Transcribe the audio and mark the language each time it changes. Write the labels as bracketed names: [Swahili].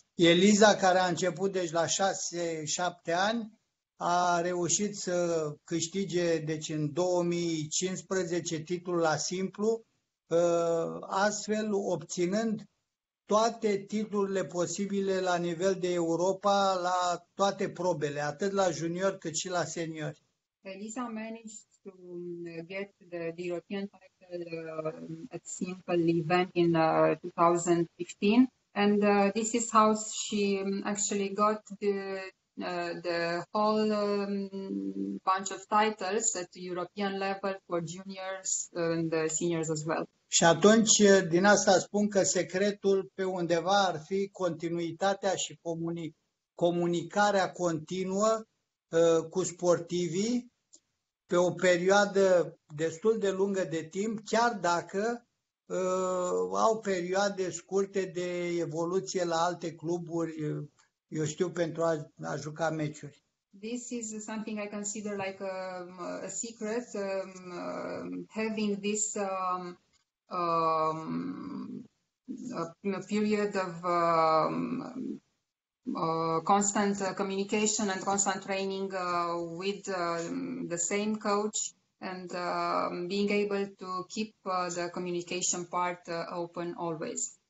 [Romanian] Eliza care a început deci la 6-7 ani a reușit să câștige deci în 2015 titlul la simplu, astfel obținând toate titlurile posibile la nivel de Europa, la toate probele, atât la junior cât și la senior. [English] Elisa managed to get the European title at simple event in 2015, and this is how she actually got the whole bunch of titles at the European level for juniors and the seniors as well. [Romanian] Și atunci, din asta spun că secretul pe undeva ar fi continuitatea și comunicarea continuă cu sportivii pe o perioadă destul de lungă de timp, chiar dacă au perioade scurte de evoluție la alte cluburi, eu știu, pentru a juca meciuri. [English] This is something I consider like a secret, having this a period of constant communication and constant training with the same coach and being able to keep the communication part open always.